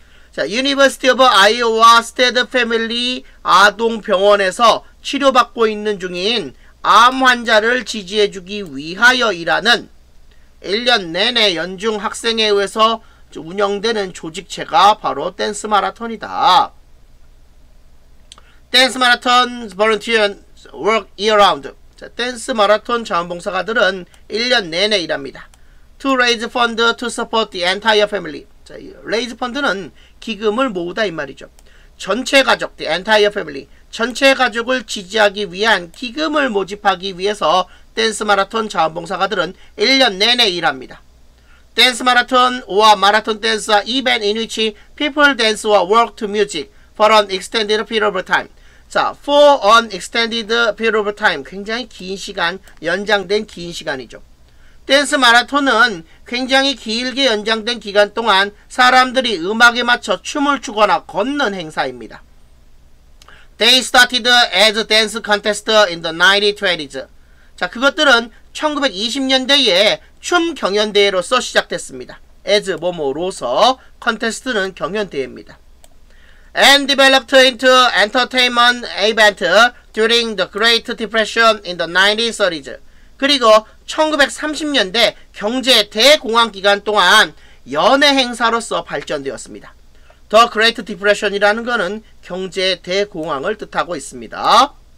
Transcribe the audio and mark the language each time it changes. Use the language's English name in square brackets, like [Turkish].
[Korean] 자, University of Iowa State Family 아동병원에서 치료받고 있는 중인 암 환자를 지지해주기 위하여 일하는 1년 내내 연중 학생에 의해서 운영되는 조직체가 바로 댄스 마라톤이다. [English] 댄스 마라톤 volunteers work year-round. [Korean] 자, 댄스 마라톤 자원봉사가들은 1년 내내 일합니다. [English] To raise fund to support the entire family. [Korean] 자, raise fund는 기금을 모으다 이 말이죠. 전체 가족, [English] the entire family. [Korean] 전체 가족을 지지하기 위한 기금을 모집하기 위해서 댄스 마라톤 자원봉사가들은 1년 내내 일합니다. [English] 댄스 마라톤 or 마라톤 댄스 event in which people dance or work to music for an extended period of time. 자, for an extended period of time. [Korean] 굉장히 긴 시간, 연장된 긴 시간이죠. 댄스 마라톤은 굉장히 길게 연장된 기간 동안 사람들이 음악에 맞춰 춤을 추거나 걷는 행사입니다. [English] They started as a dance contest in the 1920s. [Korean] 자, 그것들은 1920년대에 춤 경연대회로서 시작됐습니다. As 뭐뭐로서 contest는 경연대회입니다. [English] And developed into entertainment event during the Great Depression in the 1930s. [Korean] 그리고 1930년대 경제 대공황 기간 동안 연예 행사로서 발전되었습니다. The Great Depression이라는 것은 경제 대공황을 뜻하고 있습니다.